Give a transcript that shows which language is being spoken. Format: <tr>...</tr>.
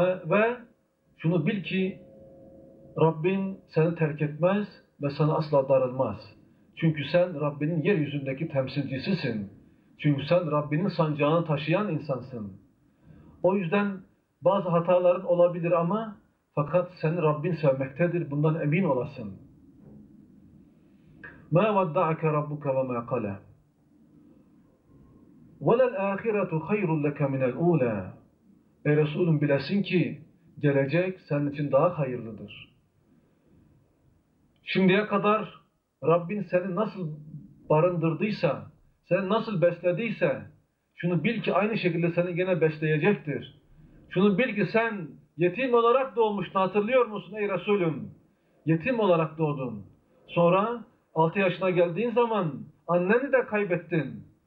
<tr>Ve şunu bil ki Rabbin seni terk etmez ve sana asla darılmaz. Çünkü sen Rabbinin yeryüzündeki temsilcisisin. Çünkü sen Rabbinin sancağını taşıyan insansın. O yüzden bazı hataların olabilir ama fakat seni Rabbin sevmektedir. Bundan emin olasın.</tr> <ar>مَا وَدَّعَكَ رَبُّكَ وَمَا قَلَى وَلَلْآخِرَةُ خَيْرٌ لَكَ مِنَ الْعُولَى</ar> <tr>Ey Resulüm bilesin ki gelecek senin için daha hayırlıdır. Şimdiye kadar Rabbin seni nasıl barındırdıysa, seni nasıl beslediyse, şunu bil ki aynı şekilde seni gene besleyecektir. Şunu bil ki sen yetim olarak doğmuştun, hatırlıyor musun ey Resulüm? Yetim olarak doğdun. Sonra 6 yaşına geldiğin zaman anneni de kaybettin.</tr>